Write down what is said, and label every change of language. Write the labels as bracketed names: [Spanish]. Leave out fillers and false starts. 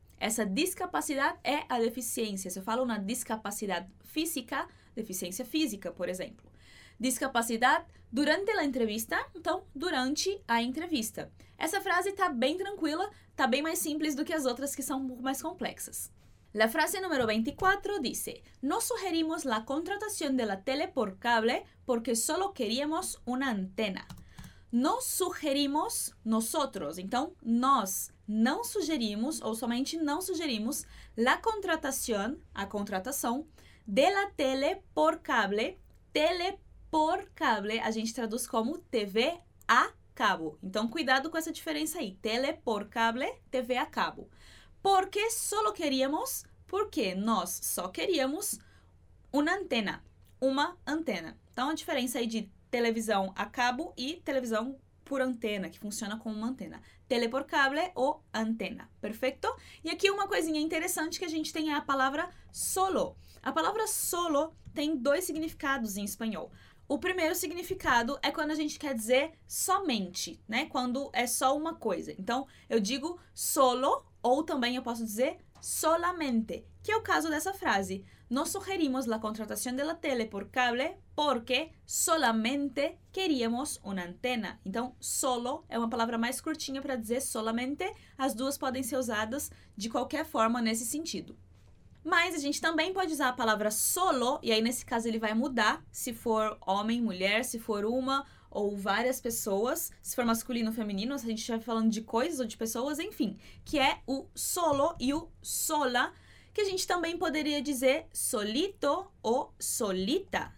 [Portuguese] Essa discapacidade é a deficiência. Se eu falo na discapacidade física, deficiência física, por exemplo. Discapacidade durante a entrevista, então, durante a entrevista. Essa frase tá bem tranquila, tá bem mais simples do que as outras que são um pouco mais complexas. [Spanish] La frase número 24 dice: No sugerimos la contratación de la tele por cable porque solo queríamos una antena. No sugerimos, nosotros, [Portuguese] então nós não sugerimos ou somente não sugerimos [Spanish] la contratación, [Portuguese] a contratação, [Spanish] de la tele por cable. [Portuguese] Tele por cable a gente traduz como TV a cabo. Então cuidado com essa diferença aí, tele por cable, TV a cabo. [Spanish] Porque solo queríamos, [Portuguese] porque nós só queríamos [Spanish] una antena, [Portuguese] uma antena. Então a diferença aí de televisão a cabo e televisão por antena, que funciona como uma antena. Tele por cable ou antena, perfeito? E aqui uma coisinha interessante que a gente tem é a palavra solo. A palavra solo tem dois significados em espanhol. O primeiro significado é quando a gente quer dizer somente, né? Quando é só uma coisa. Então eu digo solo ou também eu posso dizer solamente, que é o caso dessa frase. [Spanish] No sugerimos la contratación de la tele por cable porque solamente queríamos una antena. [Portuguese] Então, solo é uma palavra mais curtinha para dizer solamente. As duas podem ser usadas de qualquer forma nesse sentido. Mas a gente também pode usar a palavra solo, e aí nesse caso ele vai mudar se for homem, mulher, se for uma ou várias pessoas, se for masculino ou feminino, se a gente estiver falando de coisas ou de pessoas, enfim, que é o solo e o sola, que a gente também poderia dizer solito ou solita.